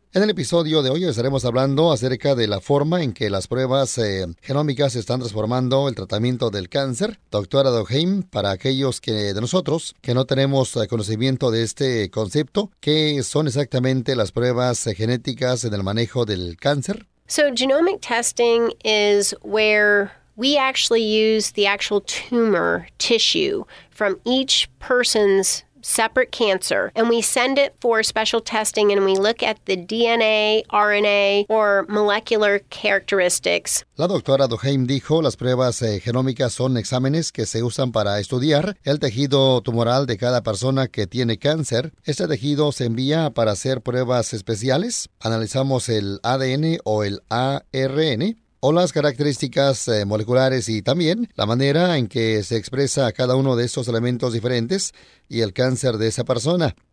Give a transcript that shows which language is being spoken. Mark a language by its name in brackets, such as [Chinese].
[Spanish] En el episodio de hoy estaremos hablando acerca de la forma en que las pruebas genómicas están transformando el tratamiento del cáncer. Doctora Doheim, para aquellos que de nosotros que no tenemos conocimiento de este concepto, ¿qué son exactamente las pruebas genéticas en el manejo del cáncer? [English] So genomic testing is where we actually use the actual tumor tissue from each person's separate cancer, and we send it for special testing, and we look at the DNA, RNA, or molecular characteristics. [Spanish] La doctora Doheim dijo, las pruebas genómicas son exámenes que se usan para estudiar el tejido tumoral de cada persona que tiene cáncer. Este tejido se envía para hacer pruebas especiales. Analizamos el ADN o el ARN, o las características moleculares y también la manera en que se expresa cada uno de estos elementos diferentes y el cáncer de esa persona.